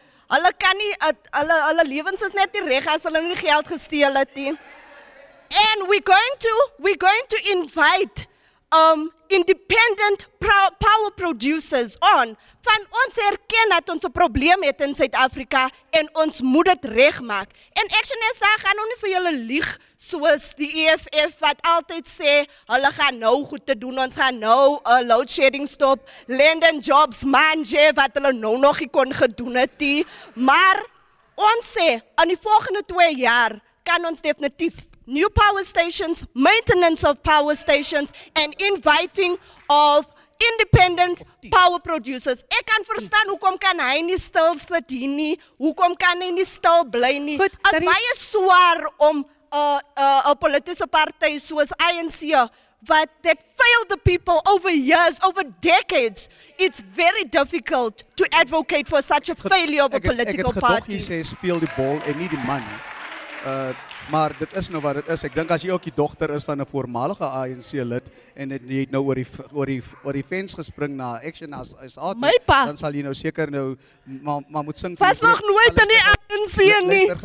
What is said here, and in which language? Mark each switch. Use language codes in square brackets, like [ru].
[af] Hulle kan nie, hulle levens is net nie reg as hulle nie geld gesteel het nie. [en] And we're going to invite independent power producers on. [af] Van ons erken dat ons 'n probleem het in Suid-Afrika en ons moet dit regmaak. En Action SA gaan nou nie vir julle lieg soos die EFF wat altyd sê, hulle gaan nou goed te doen, ons gaan nou load shedding stop, [en] land and jobs [af] manje wat hulle nou nog nie kon gedoen het nie. Maar ons sê, in die volgende 2 jaar kan ons definitief [en] new power stations, maintenance of power stations, and inviting of independent power producers. [af] Ek kan verstaan hoekom kan hy nie stil sit hier nie, hoekom kan hy nie stil bly nie. Goed, as baie swaar om 'n politieke party soos ANC, wat [en] that failed the people over years, over decades, it's very difficult to advocate for such a failure of a political party. [af] Ek het gedog jy sê speel die bal en nie die man. Maar dit is nou wat dit is. Ek dink as jy ook die dogter is van 'n voormalige ANC lid en jy het nou oor die fence gespring na Action SA, dan sal jy nou seker nou maar moet sing. Was nog nooit in die ANC sien nie.